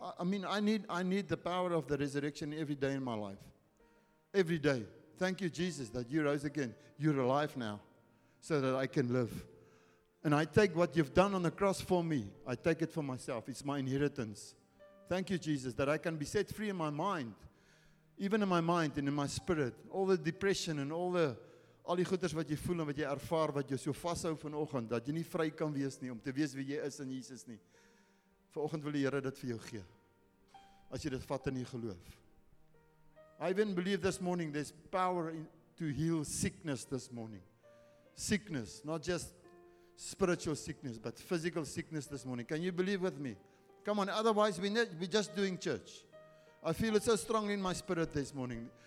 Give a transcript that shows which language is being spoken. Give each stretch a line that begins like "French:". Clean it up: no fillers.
English: I need the power of the resurrection every day in my life. Every day. Thank you, Jesus, that you rose again. You're alive now so that I can live. And I take what you've done on the cross for me. I take it for myself. It's my inheritance. Thank you, Jesus, that I can be set free in my mind, even in my mind and in my spirit. All the depression and all
Afrikaans: die goeders wat jy voel en wat jy ervaar, wat jy so vashou vanoggend, dat jy nie vry kan wees nie, om te wees wie jy is in Jesus nie. Vanoggend wil die Here dit vir jou gee, as jy dit vat in jou geloof.
English: I even believe this morning there's power to heal sickness this morning. Sickness, not just spiritual sickness, but physical sickness this morning. Can you believe with me? Come on, otherwise we're just doing church. I feel it so strongly in my spirit this morning.